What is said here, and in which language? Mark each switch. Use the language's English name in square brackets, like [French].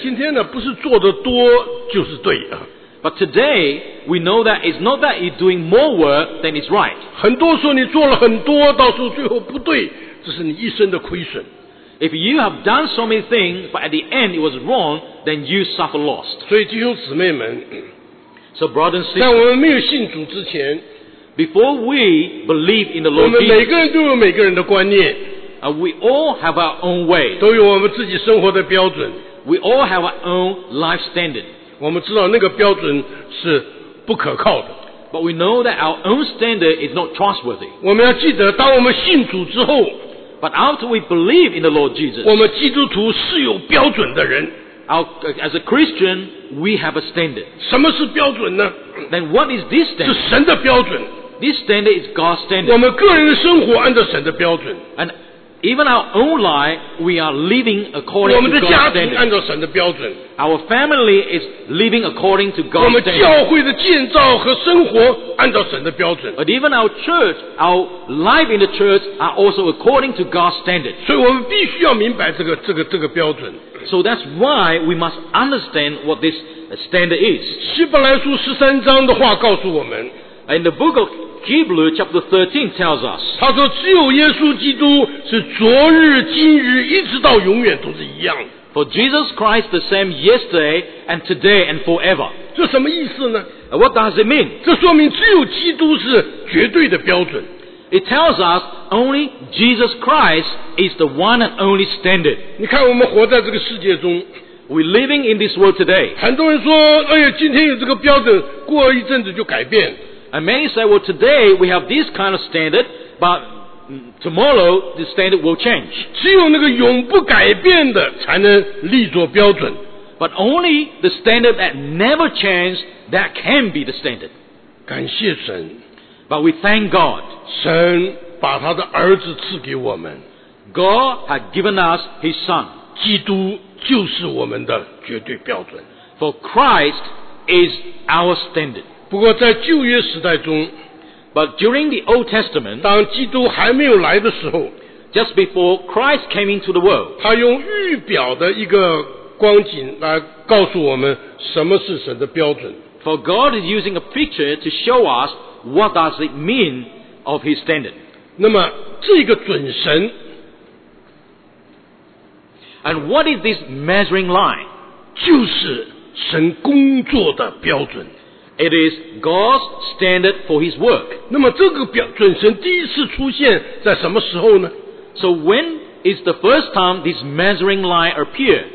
[Chinese] 今天呢，不是做得多就是对啊。 [English] But today, we know that it's not that you're doing more work than is right. [Chinese] 很多时候你做了很多，到时候最后不对，这是你一生的亏损。 [English] If you have done so many things, but at the end it was wrong, then you suffer lost. [Chinese] 所以弟兄姊妹们 [English] ，So brothers and sisters, [Chinese] 在我们没有信主之前 [English] ，Before we believe in the Lord Jesus, [Chinese] 我们每个人都有每个人的观念 [English] ，We all have our own way. [Chinese] 都有我们自己生活的标准 [English] ，We all have our own life standard. [Chinese] 我们知道那个标准是不可靠的。 [English] But we know that our own standard is not trustworthy. [Chinese] 我们要记得，当我们信主之后 [English] ，But after we believe in the Lord Jesus, [Chinese] 我们基督徒是有标准的人。 [English] As a Christian, we have a standard. [Chinese] 什么是标准呢 [English] ？Then what is this standard? [Chinese] 是神的标准。 [English] This standard is God's standard. [Chinese] 我们个人的生活按照神的标准。 [English] And even our own life, we are living according to God's standard. [Chinese] 我们的家庭按照神的标准。 [English] Our family is living according to God's standard. [Chinese] 我们教会的建造和生活按照神的标准。 [English] But even our church, our life in the church are also according to God's standard. [Chinese] 所以我们必须要明白这个标准。 [English] So that's why we must understand what this standard is. [Chinese] 希伯来书十三章的话告诉我们。 [English] In the book of Hebrews chapter 13 tells us. [Chinese] 他说只有耶稣基督是昨日、今日、一直到永远都是一样的。 [English] For Jesus Christ the same yesterday and today and forever. [Chinese] 这什么意思呢 [English] ？What does it mean? [Chinese] 这说明只有基督是绝对的标准。 [English] It tells us only Jesus Christ is the one and only standard. [Chinese] 你看我们活在这个世界中 [English] ，We're living in this world today. [Chinese] 很多人说，哎呀，今天有这个标准，过一阵子就改变。 [English] And many say, well, today we have this kind of standard, but tomorrow, the standard will change. [Chinese] 只有那个永不改变的才能立作标准。 [English] But only the standard that never changed, that can be the standard. [Chinese] 感谢神。 [English] But we thank God. [Chinese] 神把他的儿子赐给我们。 [English] God has given us his son. [Chinese] 基督就是我们的绝对标准。 [English] For Christ is our standard. [Chinese] 不过在旧约时代中 [English] But during the Old Testament, [Chinese] 当基督还没有来的时候 [English] just before Christ came into the world, [Chinese] 他用预表的一个光景来告诉我们什么是神的标准。 [English] For God is using a picture to show us what does it mean of His standard. [Chinese] 那么这个准神 [English] And what is this measuring line? [Chinese] 就是神工作的标准。 [English] It is God's standard for His work. [Chinese] 那么这个标准神第一次出现在什么时候呢 [English] ？So when is the first time this measuring line appear?